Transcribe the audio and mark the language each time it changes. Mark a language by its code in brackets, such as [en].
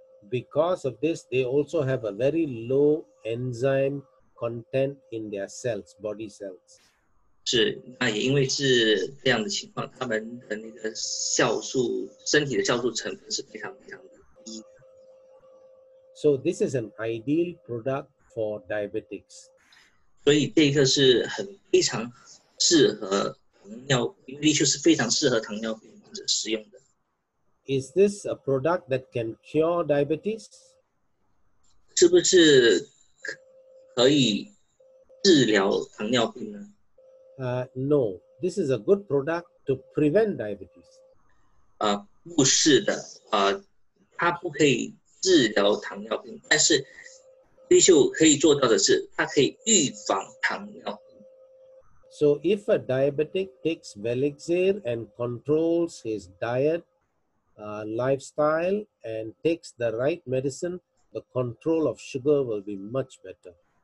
[en] Because of this, they also have a very low enzyme content in their cells, body cells. [zh] 是，那也因为是这样的情况，他们的那个酵素，身体的酵素成分是非常非常低的。 [en] So this is an ideal product for diabetics. [zh] 所以这个是很非常适合糖尿，是非常适合糖尿病患者使用的。 [en] Is this a product that can cure diabetes? [zh] 是不是可以治疗糖尿病呢？ [en] No. This is a good product to prevent diabetes. [zh] 不是的。它不可以治疗糖尿病，但是维秀可以做到的是，它可以预防糖尿病。 [en] So if a diabetic takes Velixir and controls his diet, lifestyle and takes the right medicine, the control of sugar will be much better.